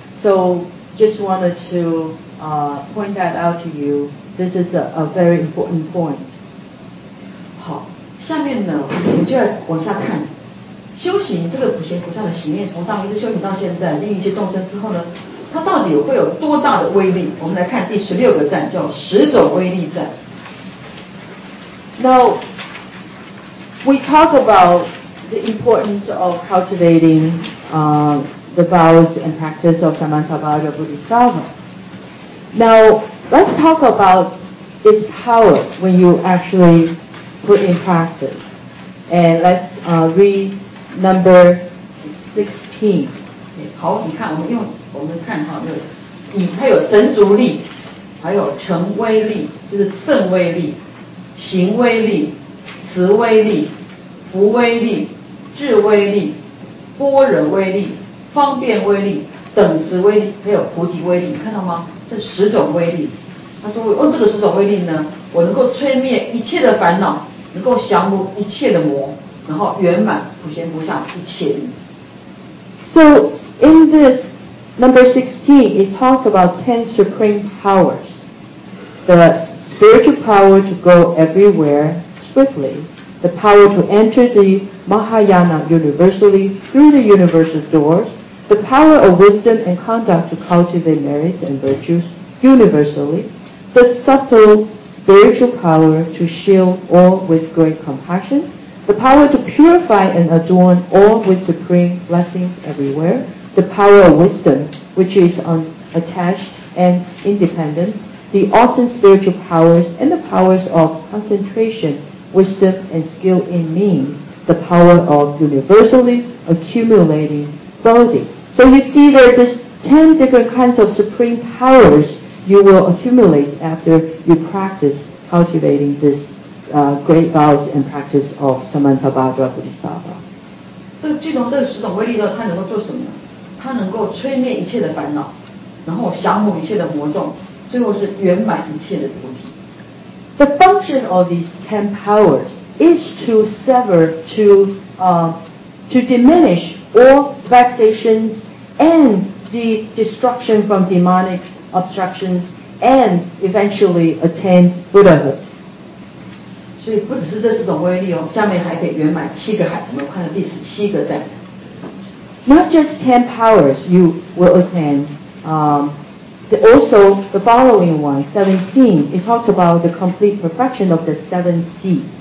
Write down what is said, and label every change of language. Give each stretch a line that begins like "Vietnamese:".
English: So just wanted to point that out to you. This is a very important point.
Chinese: 好，下面呢，我们就要往下看。修行这个普贤菩萨的行愿，从上一次修行到现在，利益一切众生之后呢，它到底会有多大的威力？我们来看第十六个站，叫十种威力站。
English: Now,we talk about the importance of cultivating the vows and practice of Samantabhadra Bodhisattva. Now, let's talk about its power when you actually put in practice. And let's read number 16.
Chinese: Okay, 好，你看，我们看哈，就是它有神足力，还有成威力，就是圣威力、行威力、慈威力。福威力、智威力、般若威力、方便威力、等持威力，还有菩提威力，你看到吗？这十种威力，他说：“哦，这个十种威力呢，我能够摧灭一切的烦恼，能够降伏一切的魔，然后圆满普贤菩萨一切力。”
English: So in this number 16, it talks about 10 supreme powers, the spiritual power to go everywhere swiftly. The power to enter the Mahayana universally through the universal doors, the power of wisdom and conduct to cultivate merits and virtues universally, the subtle spiritual power to shield all with great compassion, the power to purify and adorn all with supreme blessings everywhere, the power of wisdom, which is unattached and independent, the awesome spiritual powers and the powers of concentration,wisdom and skill in means, the power of universally accumulating bodhi. So you see there are 10 different kinds of supreme powers you will accumulate after you practice cultivating this great vows and practice of Samantabhadra Bodhisattva.
Chinese: 这具从这十种威力的它能够做什么呢？它能够摧灭一切的烦恼，然后降伏一切的魔众，最后是圆满一切的菩提。
English: The function of these 10 powers is to sever, to diminish all vexations and the destruction from demonic obstructions and eventually attain Buddhahood.
Chinese: 所以不只是这四种威力哦，下面还可以圆满七个海，我们看到第十七个站。
English: Not just 10 powers you will attain, also, the following one, 17, it talks about the complete perfection of the seven seas.